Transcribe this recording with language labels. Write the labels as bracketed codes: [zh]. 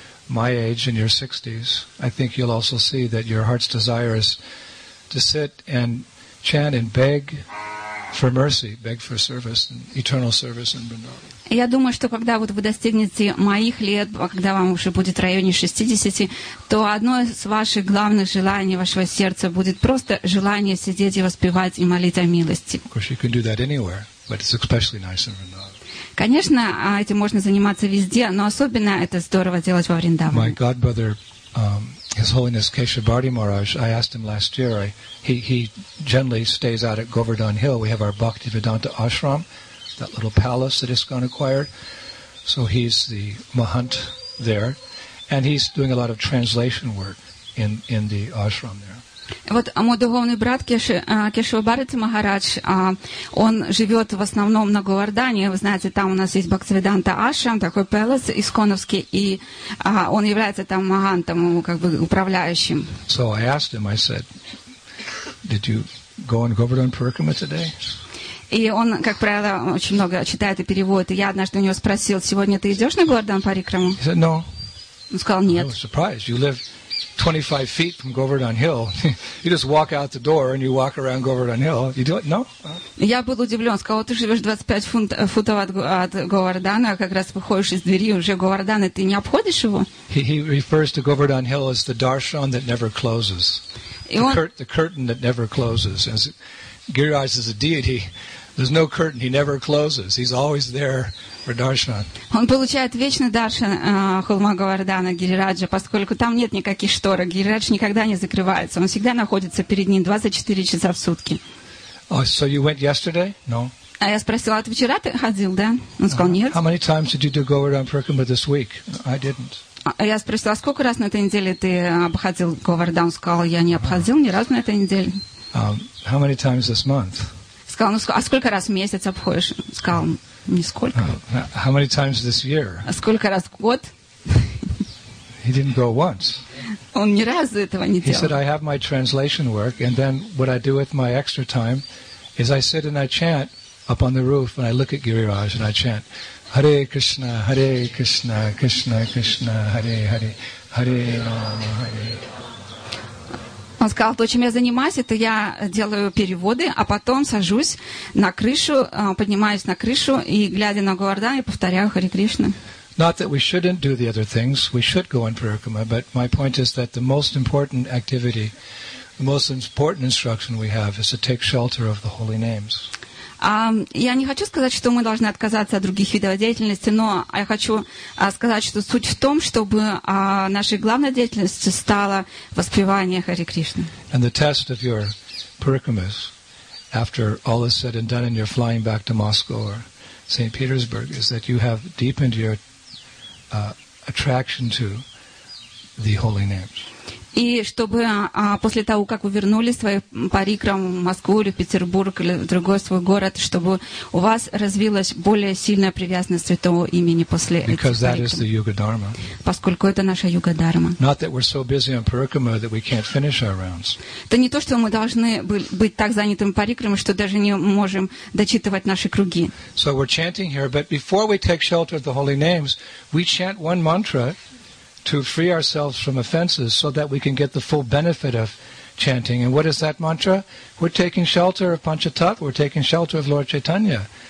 [en] My age in your 60s, I think you'll also see that your heart's desire is to sit and chant and beg for mercy, beg for service, and eternal service in Vrindavan. [ru] Я думаю, что когда вот вы достигнете моих лет, когда вам уже будет в районе 60, то одно из ваших главных желаний вашего сердца будет просто желание сидеть и воспевать и молить о милости. [en] Of course, you can do that anywhere, but it's especially nice in Vrindavan. [ru] Конечно, этим можно заниматься везде, но особенно это здорово делать во Вриндаване. [en] My godbrother, His Holiness Keshav Bharti Maharaj, I asked him last year, he generally stays out at Govardhan Hill. We have our Bhaktivedanta Ashram, that little palace that ISKCON acquired. So he's the Mahant there. And he's doing a lot of translation work in the ashram there. [ru] Вот мой духовный брат Кешава Бхарати Махарадж, он живет в основном на Говардане. Вы знаете, там у нас есть Бхактивиданта Ашрам, такой пэлэс исконовский, и он является там магантом, как бы управляющим. [en] So I asked him, I said, did you go on Govardhan Parikrama today? [ru] И он, как правило, очень много читает и переводит. И я однажды у него спросил, сегодня ты идешь на Говардхан Парикраму? [en] He said, no. [ru] Он сказал, нет. [en] I was surprised. You live 25 feet from Govardhan Hill. You just walk out the door and you walk around Govardhan Hill. You do it? No? [ru] Я был удивлен. Сказал, ты живешь 25 футов от Говардана, как раз выходишь из двери, уже Говардан, и ты не обходишь его? [en] He refers to Govardhan Hill as the darshan that never closes. The curtain that never closes. As Giriraj is a deity. There's no curtain. He never closes. He's always there for darshan. [ru] Он получает вечный даршан Холма Говардана Гирираджа, поскольку там нет никаких штор. Гирирадж никогда не закрывается. Он всегда находится перед ним 24 часа в сутки. [en] Oh, so you went yesterday? No. [ru] А я спросила, а ты вчера ты ходил, да? Он сказал, нет. [en] How many times did you do Govardhan Parikrama this week? I didn't. [ru] Я спросила, а сколько раз на этой неделе ты обходил Говардан? Он сказал, я не обходил ни разу на этой неделе. [en] How many times this month? [ru] Сказал, ну, а сколько раз в месяц обходишь? Сказал, нисколько. [en] How many times this year? [ru] А сколько раз в год? [en] He didn't go once. [ru] Он ни разу этого не делал. [en] He said, I have my translation work, and then what I do with my extra time is I sit and I chant up on the roof, and I look at Giriraj, and I chant, Hare Krishna, Hare Krishna, Krishna Krishna, Hare Hare, Hare Rama, Hare. [ru] Он сказал, то, чем я занимаюсь, это я делаю переводы, а потом сажусь на крышу, поднимаюсь на крышу и, глядя на Говардан, я повторяю Харе Кришна. [en] Not that we shouldn't do the other things, we should go on Parikrama, but my point is that the most important activity, the most important instruction we have is to take shelter of the holy names. [ru] Я не хочу сказать, что мы должны отказаться от других видов деятельности, но я хочу сказать, что суть в том, чтобы нашей главной деятельностью стало воспевание Харе Кришны. [en] And the test of your parikrama, after all is said and done, and you're flying back to Moscow or St. Petersburg, is that you have deepened your attraction to the holy names. [ru] И чтобы после того, как вы вернулись своим парикрам в Москву или в Петербург или в другой свой город, чтобы у вас развилась более сильная привязанность к святому имени после [en] Because [ru] этих [en] that is the yuga dharma. [ru] Поскольку это наша юга дарма. [en] Not that we're so busy on parikrama that we can't finish our rounds. [ru] Это не то, что мы должны быть так занятыми парикрамы, что даже не можем дочитывать наши круги. [en] So we're chanting here, but before we take shelter of the holy names, we chant one mantra. To free ourselves from offenses so that we can get the full benefit of chanting. And what is that mantra? We're taking shelter of Panchatattva, we're taking shelter of Lord Chaitanya.